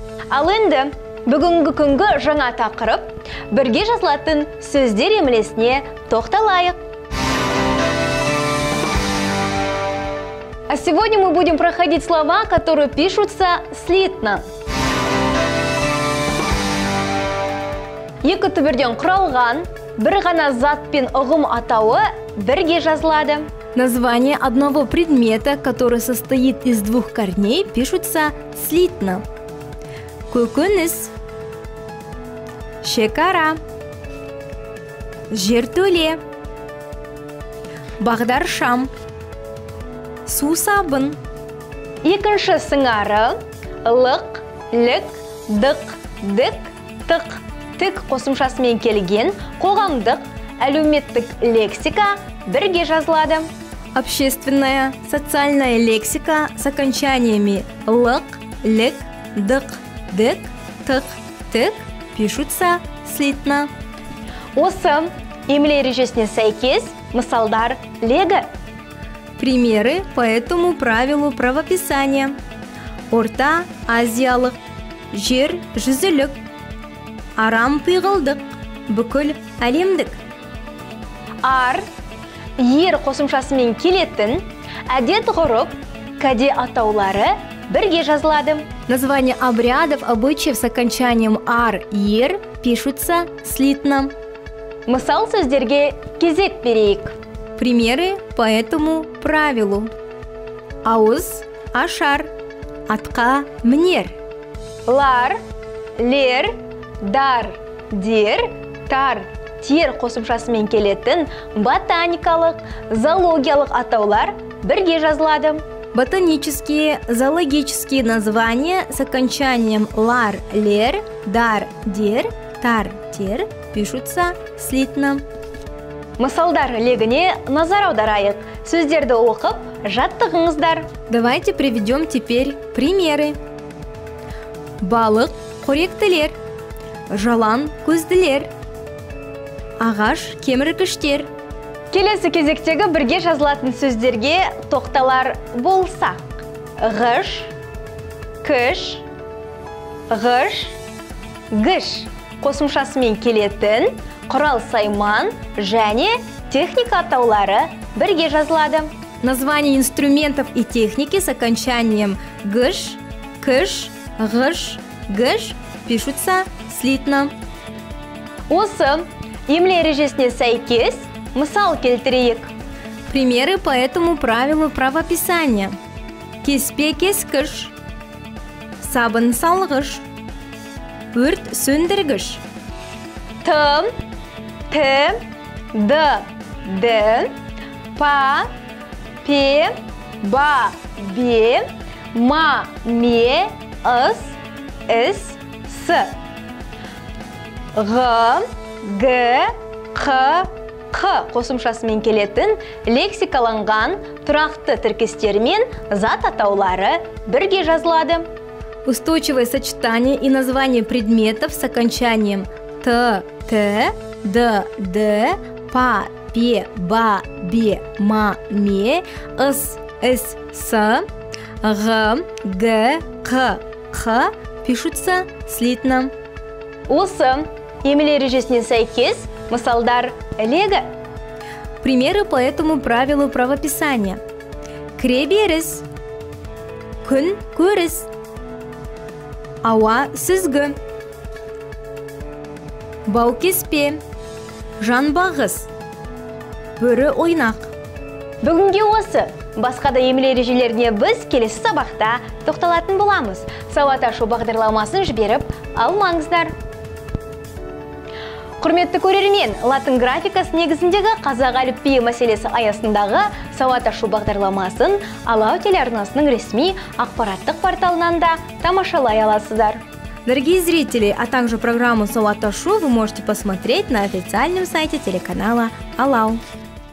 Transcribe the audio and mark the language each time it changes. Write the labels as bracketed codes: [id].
[kk] Ал енді бүгінгі күнгі жаңа тақырып, бірге жазылатын сөздер емлесіне тоқталайық. [ru] А сегодня мы будем проходить слова, которые пишутся слитно. [kk] Екі түбірден құралған, бір ғана зат пен ұғым атауы бірге жазылады. [ru] Название одного предмета, который состоит из двух корней, пишутся слитно. [kk] Көкөніс, шекара, жертөле, бағдаршам, сусабын. Екінші сыңары лық, лік, дық, дік, тық, тік қосымшасымен келген қоғамдық әлеуметтік лексика бірге жазылады. [ru] Общественная, социальная лексика с окончаниями лык, лик, дык, дык, тык, тык пишутся слитно. [kk] Осы емле ережесіне сәйкес мысалдар легі. [ru] Примеры по этому правилу правописания. [kk] Орта азиялық, жер жүзілік, арам пиғылдық, бүкіл әлемдік. Ар ер қосымшасымен келетін әдет ғұрып, кәде атаулары бірге жазылады. [ru] Название обрядов, обычаев с окончанием ар, ер пишутся слитно. [kk] Мысал сөздерге кезек берейік. [ru] Примеры по этому правилу. [kk] Ауыз – ашар, атқа – мінер. Лар, лер, дар, дер, тар – тер қосымшасымен келетін ботаникалық, зоологиялық атаулар бірге жазылады. [ru] Ботанические, зоологические названия с окончанием лар, лер, дар, дер, тар, тер пишутся слитно. [kk] Мысалдар легіне назар аударайық. Сөздерді оқып, жаттығыңыздар. [ru] Давайте приведем теперь примеры. [kk] Балық қоректілер, жалан көзділер, ағаш кеміргіштер. Келесі кезектегі бірге жазылатын сөздерге тоқталар болсақ. Ғыш, күш, ғыш, гүш қосымшасымен келетін құрал сайман және техника атаулары бірге жазылады. [ru] Название инструментов и техники с окончанием гүш, күш, ғыш, гүш пишутся слитно. [kk] Осы емле ережесіне сәйкес мысал келтірейік. [ru] Примеры по этому правилу правописания. [kk] Кеспе кескіш, сабын салғыш, өрт сөндіргіш. Т, Т, Д, Д, Па, Пе, Ба, Бе, Ма, Ме, Ыс, Іс, С. Ғы, Г, Х, Х қосымшасымен келетін лексикаланған тұрақты тіркестермен зат атаулары бірге жазылады. [ru] Устойчивое сочетание и название предметов с окончанием Т, Т, Д, Д, Па, Пе, Ба, Бе, Ма, Ме, Ыс, Іс, С, Ғ, Г, Х, Х пишутся слитно. [kk] Осы емле ережесіне сәйкес Масалдар лего. [ru] Примеры по этому правилу правописания. [kk] Креберес. Кун курес. Ауа сызгы. Баукеспе. Жан бағыз. Бүрі ойнақ. Бүгінге осы. Басқа да емле ережелеріне біз келесі сабақта тоқталатын боламыз. Сауат ашу бағдарламасын жіберіп, алмаңыздар. Құрметті көрермен, латын графикасы негізіндегі қазақ әліпбиі мәселесі аясындағы сауат ашу бағдарламасын Алау телеарнасының ресми ақпараттық порталынан да тамашалай аласыздар. [ru] Дорогие зрители, а также программу «Сауат ашу» вы можете посмотреть на официальном сайте телеканала «Алау».